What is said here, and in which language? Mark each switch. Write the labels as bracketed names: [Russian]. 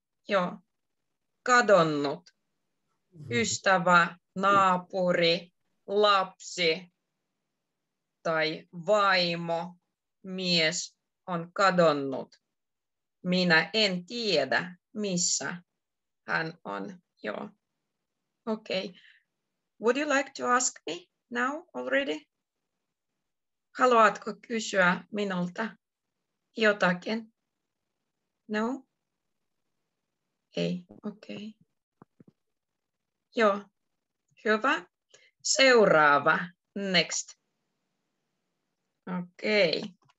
[Finnish] Joo, kadonnut, ystävä, naapuri, lapsi tai vaimo, mies on kadonnut. Minä en tiedä, missä hän on. Joo, okei. Okay. [English] Would you like to ask me now already? [Finnish] Haluatko kysyä minulta jotakin? No? Ei, okei. Okay. Joo, hyvä. Seuraava, next. Okei. Okay.